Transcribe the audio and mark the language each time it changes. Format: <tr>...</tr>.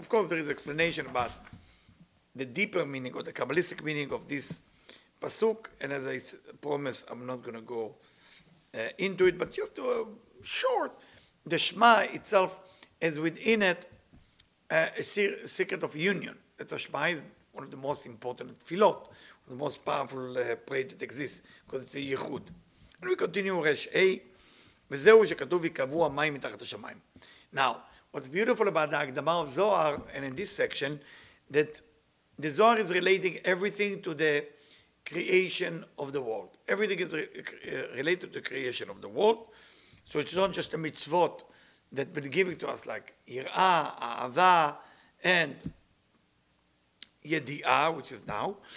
<en>Of course, there is explanation about the deeper meaning or the Kabbalistic meaning of this pasuk, and as I promise, I'm not going to go into it, but just to a short, the Shema itself is within it a secret of union. That's a Shema, is one of the most important filot, the most powerful prayer that exists, because it's a yichud. And we continue, Resh A,</en> <he>וזהו שכתוב יקבו המים מתחת השמיים.</he> <en>Now, what's beautiful about the Hakdama of Zohar, and in this section, that the Zohar is relating everything to the creation of the world. Everything is related to the creation of the world. So it's not just a mitzvot that been given to us, like Yirah, Ahava, and Yedi'ah, which is now.</en>